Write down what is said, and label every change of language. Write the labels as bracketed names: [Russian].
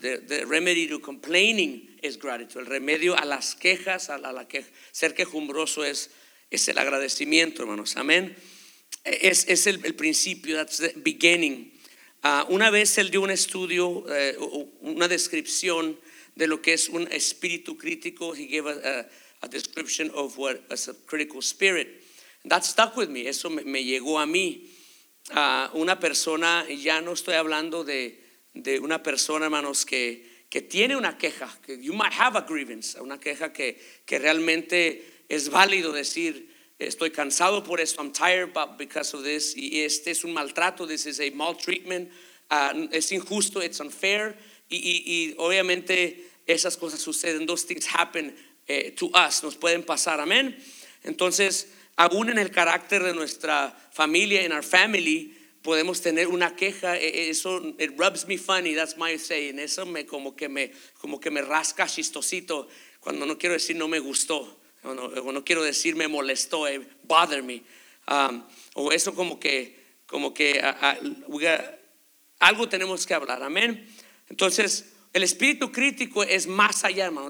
[English] The remedy to complaining is gratitude. [Spanish] El remedio a las quejas, ser quejumbroso es el agradecimiento, hermanos. Amén. Es el principio, [English] that's the beginning. [Spanish] Una vez él dio un estudio, una descripción de lo que es un espíritu crítico. [English] He gave a description of what is a critical spirit. That stuck with me. [Spanish] Eso me llegó a mí. Una persona, ya no estoy hablando de una persona, hermanos, que tiene una queja. Que [English] you might have a grievance, [Spanish] una queja que realmente es válido decir. Estoy cansado por esto, [English] I'm tired but because of this. [Spanish] Y este es un maltrato, [English] this is a maltreatment. [Spanish] Es injusto, [English] it's unfair. [Spanish] Y obviamente esas cosas suceden, [English] those things happen to us. [Spanish] Nos pueden pasar, amén. Entonces, aún en el carácter de nuestra familia, [English] in our family, [Spanish] podemos tener una queja. [English] Eso, it rubs me funny, that's my saying. [Spanish] Eso me como que me rasca chistosito. Cuando no quiero decir no me gustó, no quiero decir me molestó, [English] bother me, [Spanish] o eso algo tenemos que hablar, amén. Entonces el espíritu crítico es más allá, hermano.